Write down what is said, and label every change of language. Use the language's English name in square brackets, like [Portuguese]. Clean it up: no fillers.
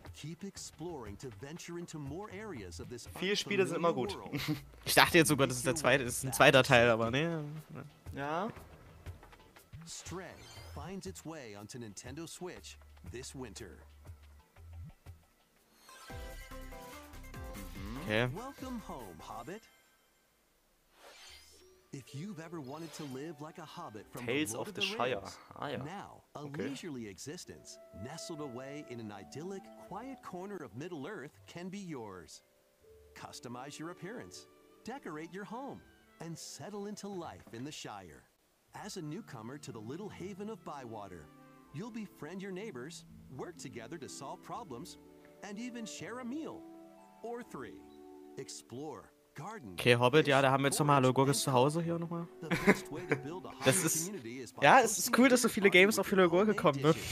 [English] Keep exploring to venture into more areas of this. [German] 4 Spiele sind immer gut. Ich dachte jetzt sogar, das ist der zweite, das ist ein zweiter Teil, aber ne. Ja. [English] Stray finds its way onto Nintendo Switch this winter. Okay. Welcome home, Hobbit. If you've ever wanted to live like a hobbit from Tales of the Shire. Ah, ja. Now, a leisurely existence nestled away in an idyllic, quiet corner of Middle Earth can be yours. Customize your appearance, decorate your home, and settle into life in the Shire. As a newcomer to the little haven of Bywater, you'll befriend your neighbors, work together to solve problems, and even share a meal. Or three. Explore. [German] Okay, Hobbit, ja, da haben wir jetzt nochmal Hallo Gurgis zu Hause hier nochmal. Das ist, ja, es ist cool, dass so viele Games auf Hallo Gurgis gekommen sind.